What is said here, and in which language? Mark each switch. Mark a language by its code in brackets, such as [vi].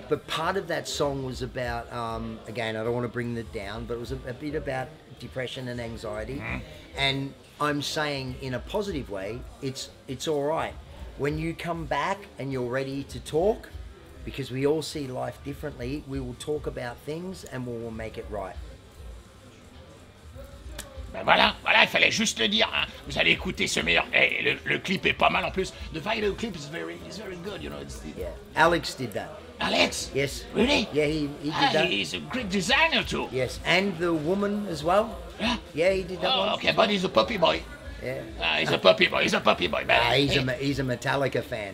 [en] But part of that song was about, again, I don't want to bring it down, but it was a bit about depression and anxiety. Mm-hmm. And I'm saying in a positive way, it's all right. When you come back and you're ready to talk, because we all see life differently, we will talk about things and we will make it right. [fr] Ben voilà, il fallait juste le dire, hein. Vous allez écouter ce meilleur, hey, le clip est pas mal en plus. [en] The video clip is very good, you know. Yeah. Alex did that. Alex? Yes. Really? Yeah, he did that. He's a great designer too. Yes, and the woman as well. Yeah? Yeah, he did that one. Okay, but he's a puppy boy. Yeah. He's a puppy boy. Ah, he's a Metallica fan.